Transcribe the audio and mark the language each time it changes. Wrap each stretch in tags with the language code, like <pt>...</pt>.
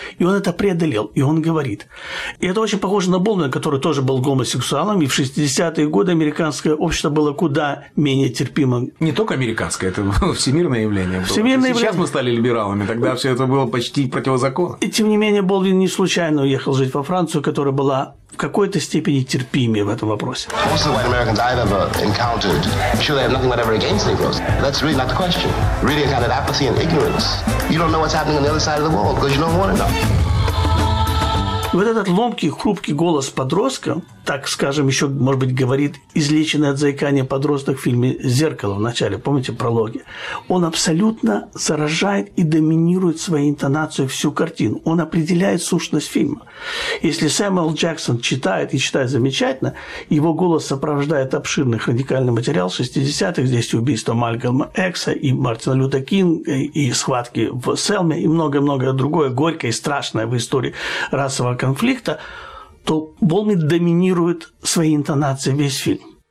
<ru>И он это преодолел, и он говорит. И это очень похоже на Болдуина, который тоже был гомосексуалом, и в 60-е годы американское общество было куда менее терпимо. Не только американское, это всемирное явление было. Всемирное явление. Сейчас мы стали либералами, тогда все это было почти противозаконно. И тем не менее, Болдуин не случайно уехал жить во Францию, которая была в какой-то степени терпимее в этом вопросе.</ru> <en>Most of the white Americans I've ever encountered, I'm sure they have nothing whatever against Negroes. That's really not the question. Really a kind of apathy and ignorance. You don't know what's happening on the other side of the world, because you don't want to know.</en> <ru>И вот этот ломкий, хрупкий голос подростка, так, скажем, еще, может быть, говорит излеченное от заикания подросток в фильме «Зеркало» в начале, помните, прологе, он абсолютно заражает и доминирует своей интонацией всю картину. Он определяет сущность фильма. Если Сэмюэл Джексон читает и читает замечательно, его голос сопровождает обширный хроникальный материал 60-х, здесь убийство Малькольма Экса и Мартина Люта Кинга, и схватки в Селме, и многое-многое другое, горькое и страшное в истории расового конфликта, то Болдуин доминирует своей интонацией весь фильм.</ru>